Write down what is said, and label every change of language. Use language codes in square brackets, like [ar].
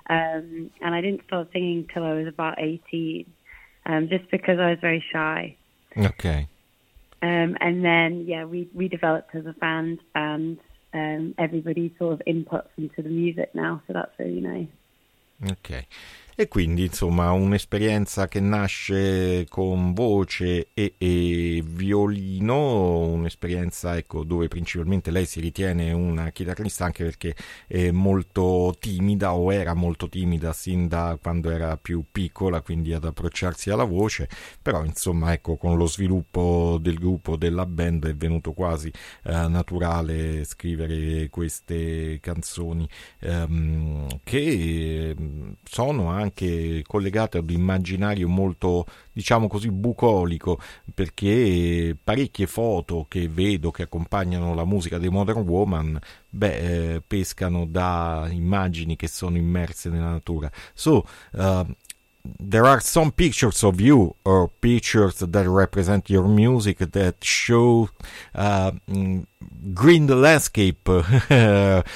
[en] And I didn't start singing till I was about 18, just because I was very shy. Okay. And then, yeah, we developed as a band, and everybody sort of inputs into the music now, so that's really nice. Okay. [it] E quindi, insomma, un'esperienza che nasce con voce e violino, un'esperienza, ecco, dove principalmente lei si ritiene una chitarrista, anche perché è molto timida, o era molto timida sin da quando era più piccola, quindi ad approcciarsi alla voce. Però, insomma, ecco, con lo sviluppo del gruppo, della band, è venuto quasi naturale scrivere queste canzoni, che sono anche collegate ad un immaginario molto, diciamo così, bucolico, perché parecchie foto che vedo che accompagnano la musica dei Modern Woman, beh, pescano da immagini che sono immerse nella natura. [en] So, there are some pictures of you, or pictures that represent your music, that show green landscape, grass,